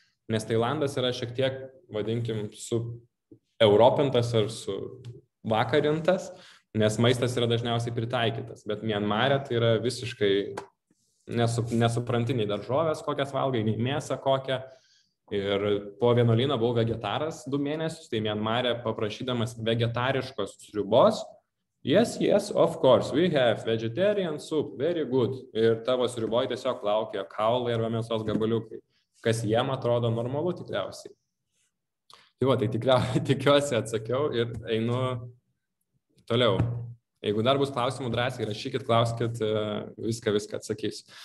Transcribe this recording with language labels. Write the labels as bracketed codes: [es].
[lt] Nes Tailandas yra šiek tiek, vadinkim, su europintas ar su vakarintas, nes maistas yra dažniausiai pritaikytas. Bet Mianmare tai yra visiškai nesupranti nei daržovės, kokias valgai, nei mėsą kokią. Ir po vienuolyno buvau vegetaras 2 mėnesius, tai Mianmare paprašydamas vegetariškos sriubos. [en] Yes, yes, of course, we have vegetarian soup, very good. [lt] Ir tavo sriuboj tiesiog laukia kaulai arba mėsos gabaliukai, kas jiem atrodo normalu tikriausiai. Tai va, tai tikiuosi atsakiau ir einu toliau. Jeigu dar bus klausimų drąsiai, rašykit, klauskit, viską atsakysiu.